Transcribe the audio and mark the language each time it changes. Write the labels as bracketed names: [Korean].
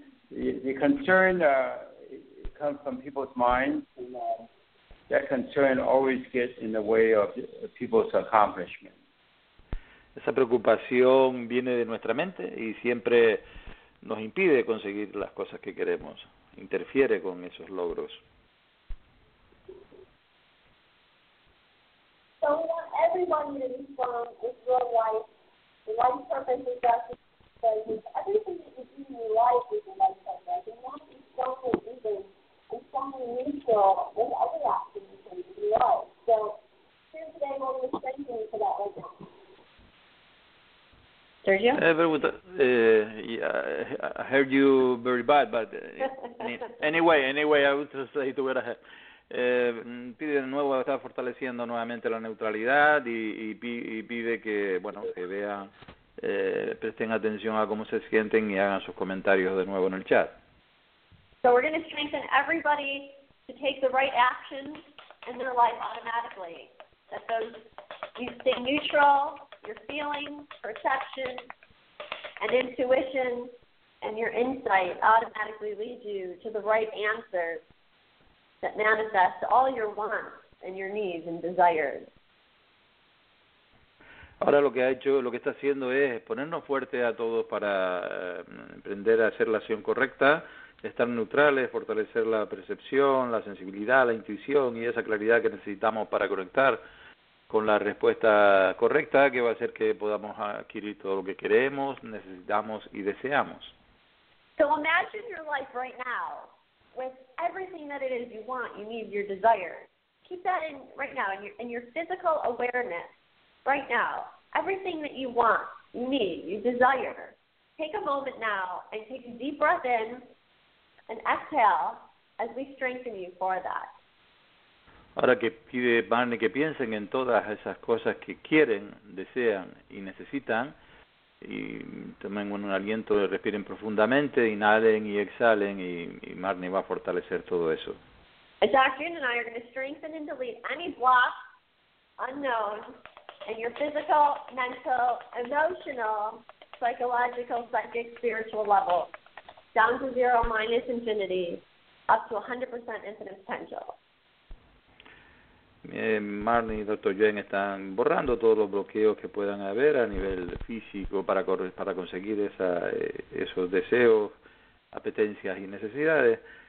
[English] The concern comes from people's minds, and that concern always gets in the way of people's accomplishments. [Spanish] Esa preocupación viene de nuestra mente y siempre nos impide conseguir las cosas que queremos. Interfiere con esos logros. [English] So we want everyone to respond in your life. The life purpose is that everything that you do in your life is a life purpose. You want to be something even and something neutral with other actions in your life. So here today we'll be thanking you for that right now. I heard you very bad, but anyway, I would just say to go ahead. [Spanish] Pide de nuevo, está fortaleciendo nuevamente la neutralidad y pide que, bueno, que vean, presten atención a cómo se sienten y hagan sus comentarios de nuevo en el chat. [English] So we're going to strengthen everybody to take the right actions in their life automatically. That you stay neutral, your feelings, perception, and intuition, and your insight automatically lead you to the right answers that manifest all your wants and your needs and desires. [Spanish] Ahora lo que ha hecho, lo que está haciendo es ponernos fuerte a todos para aprender a hacer la acción correcta, estar neutrales, fortalecer la percepción, la sensibilidad, la intuición y esa claridad que necesitamos para conectar con la respuesta correcta que va a hacer que podamos adquirir todo lo que queremos, necesitamos y deseamos. [English] So imagine your life right now with everything that it is you want, you need, your desire. Keep that in right now in your physical awareness. Right now, everything that you want, you need, you desire, take a moment now and take a deep breath in and exhale as we strengthen you for that. [Spanish] Ahora que pide Barney que piensen en todas esas cosas que quieren, desean y necesitan, y tomen un aliento, respiren profundamente, inhalen y exhalen, y Barney va a fortalecer todo eso. [English] And Dr. Yun and I are going to strengthen and delete any block, unknown, and your physical, mental, emotional, psychological, psychic, spiritual level, down to zero minus infinity, up to 100% infinite potential. [Spanish] Marnie y Dr. Yuen están borrando todos los bloqueos que puedan haber a nivel físico para conseguir esos deseos, apetencias y necesidades.